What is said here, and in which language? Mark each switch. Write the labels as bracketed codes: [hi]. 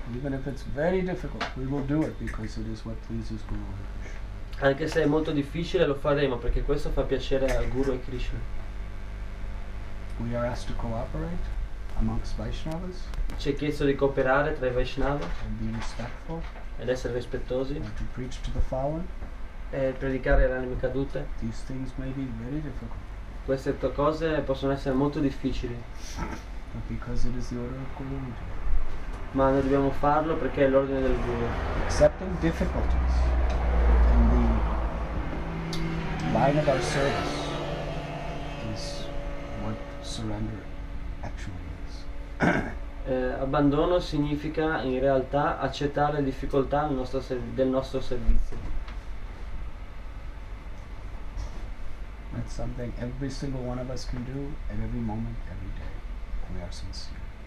[en] Even if it's very difficult, we will do it because it is what pleases Guru and Krishna. [it] Anche se è molto difficile, lo faremo perché questo fa piacere al Guru e Krishna. [en] We are asked to cooperate amongst Vaishnavas. [it] Ci è chiesto di cooperare tra i Vaishnava. [en] And be respectful. [it] Ed essere rispettosi. [en] And to preach to the fallen. [it] E predicare alle anime cadute. [en] These things may be very difficult. [it] Queste cose possono essere molto difficili. [en] But because it is the order of community. [it] Ma noi dobbiamo farlo perché è l'ordine del Guru. [en] Accepting difficulties in the line of our service is what surrender actually is. [it] Abbandono significa in realtà accettare le difficoltà del nostro servizio. [en] It's something every single one of us can do at every moment, every day, if we are sincere.